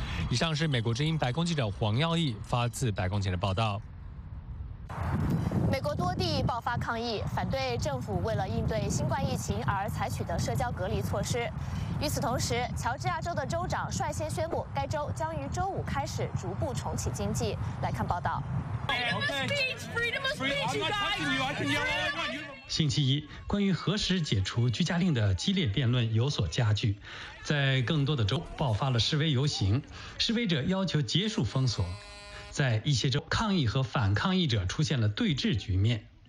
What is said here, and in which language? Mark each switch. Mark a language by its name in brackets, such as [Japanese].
[Chinese] 以上是美国之音白宫记者黄耀毅发自白宫前的报道。美国多地爆发抗议，反对政府为了应对新冠疫情而采取的社交隔离措施。与此同时，乔治亚州的州长率先宣布，该州将于周五开始逐步重启经济。来看报道。 [English] Freedom of speech, freedom of speech, you guys. [Chinese] 星期一，关于何时解除居家令的激烈辩论有所加剧，在更多的州爆发了示威游行，示威者要求结束封锁，在一些州抗议和反抗议者出现了对峙局面。